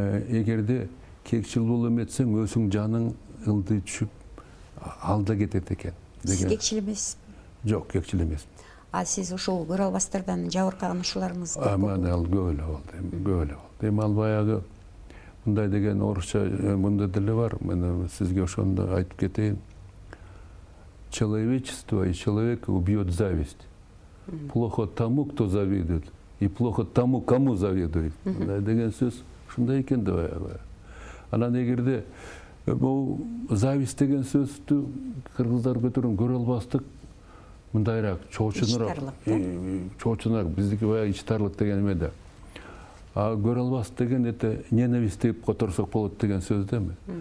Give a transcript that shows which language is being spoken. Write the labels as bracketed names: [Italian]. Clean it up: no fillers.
[Kyrgyz] Эгерде кекчил боло эметсең өзүң жаның ылдый түшүп алда кетет экен. Сиз кекчил эмессизби? Жок, кекчил эмесмин. А сиз ошол көрө албастардан жабыркаганышуларыңыз көп болду. Мен ал көп эле болду, көп эле болду. Эми ал баягы мындай деген орусча мындай деле бар, мен сизге ошондо айтып кетейин. [Russian] Человечество и человек убьет зависть. Плохо тому, кто завидует, и плохо тому, кому завидует. [Kyrgyz] Мындай деген сөз ушундай экен да баягы. Анан эгерде бул зависть деген сөздү кыргыздар көтөрүп көрө албастык мындайыраак, чоочунураак, чоочунураак, биздики баягы ичтарлык деген эме да. А көрө албас деген [Russian] это ненависть [Kyrgyz] деп которсок болот деген сөз да эми.